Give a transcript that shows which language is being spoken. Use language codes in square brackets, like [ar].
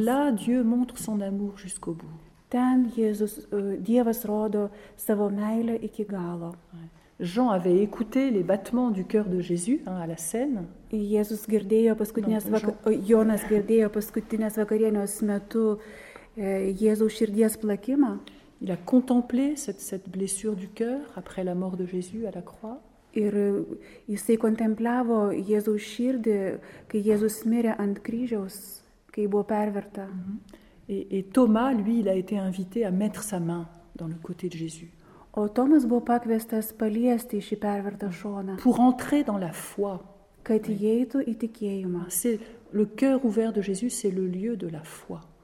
[fr] Là Dieu montre son amour jusqu'au bout. [lt] Ten Jėzus, Dievas rodo savo meilę iki galo. [fr] Jean avait écouté les battements du cœur de Jésus hein, à la scène. [lt] Jėzus girdėjo paskutinės Jonas girdėjo paskutinės vakarienės metu Jėzaus širdies plakimą. [fr] Il a contemplé cette blessure du cœur après la mort de Jésus à la croix. [lt] Ir jisai kontempliavo Jėzaus širdį, kai Jėzus mirė ant kryžiaus, kai buvo perverta. [fr] Et Thomas, lui, il a été invité à mettre sa main dans le côté de Jésus. [lt] O Tomas buvo pakviestas paliesti šį pervertą šoną. [fr] Pour entrer dans la foi. [lt] Kad įeitų į tikėjimą. [fr] C'est le cœur ouvert de Jésus, c'est le lieu de la foi.